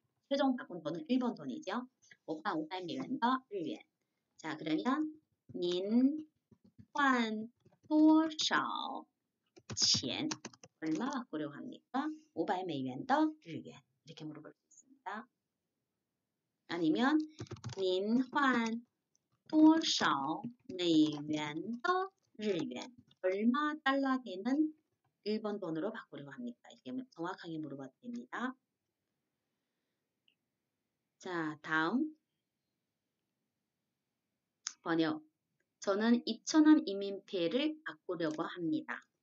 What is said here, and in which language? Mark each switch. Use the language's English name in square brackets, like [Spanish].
[Korean] 최종 바꾼 돈은 1번 돈이죠. [Chinese] 我换500美元的日元。 [Korean] 자, 그러면 [Chinese] 您换多少钱？ 얼마 바꾸려고 합니까？ 500美元的日元。 [Korean] 이렇게 물어볼 수 있습니다. 아니면 [Chinese] 您换多少美元的日元？ [Korean] 얼마 달러 되는 1번 돈으로 바꾸려고 합니까？ 이렇게 정확하게 물어봐도 됩니다. 자, 다음 번역. 저는 2000원 인민币를 바꾸려고 합니다.